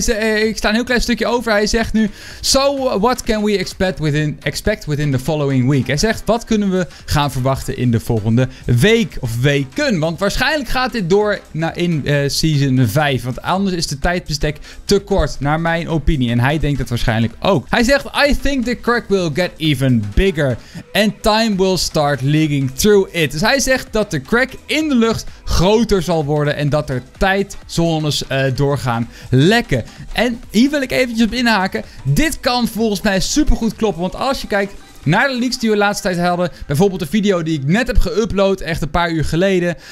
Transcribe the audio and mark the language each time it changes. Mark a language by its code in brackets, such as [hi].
[nl] Ik sta een heel klein stukje over. Hij zegt nu: [en] "So what can we expect within the following week." [nl] Hij zegt, wat kunnen we gaan verwachten in de volgende week of weken? Want waarschijnlijk gaat dit door in season 5. Want anders is de tijdbestek te kort, naar mijn opinie. En hij denkt dat waarschijnlijk ook. Hij zegt, [en] "I think the crack will get even bigger and time will start leaking through it." [nl] Dus hij zegt dat de crack in de lucht groter zal worden en dat er tijdzones doorgaan lekken. En hier wil ik eventjes op inhaken. Dit kan volgens mij supergoed kloppen, want als je kijkt naar de leaks die we de laatste tijd hadden. Bijvoorbeeld de video die ik net heb geüpload. Echt een paar uur geleden.